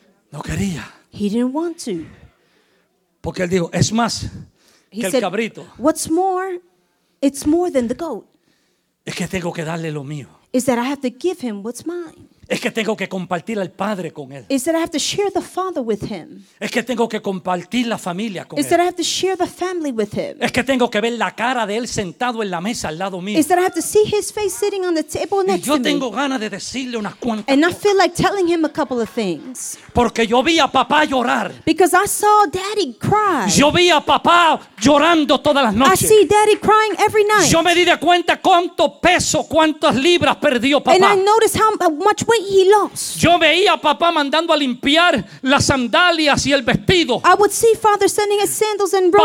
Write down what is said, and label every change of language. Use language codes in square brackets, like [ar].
[es] No quería. [en] He didn't want to. [es] Porque él dijo, es más [en] he [es] que [en] said, [es] el cabrito. [en] What's more, it's more than the goat. [es] Es que tengo que darle lo mío. [en] Is that I have to give him what's mine. [es] Es que tengo que compartir al padre con él. [en] Is that I have to share the father with him. [es] Es que tengo que compartir la familia con [en] is [es] él. [en] Is that I have to share the family with him. [es] Es que tengo que ver la cara de él sentado en la mesa al lado mío. [en] Is that I have to see his face sitting on the table next to me. [es] Yo tengo ganas de decirle unas cuantas cosas. [en] And I feel like telling him a couple of things. [es] Porque yo vi a papá llorar. [en] Because I saw daddy cry. [es] Yo vi a papá llorando todas las noches. [en] I see daddy crying every night. [es] Yo me di de cuenta cuánto peso, cuántas libras perdió papá. [en] And I noticed how much weight he lost. [es] Yo veía a papá mandando a limpiar las sandalias y el vestido. [en] I would see father sending his sandals and robe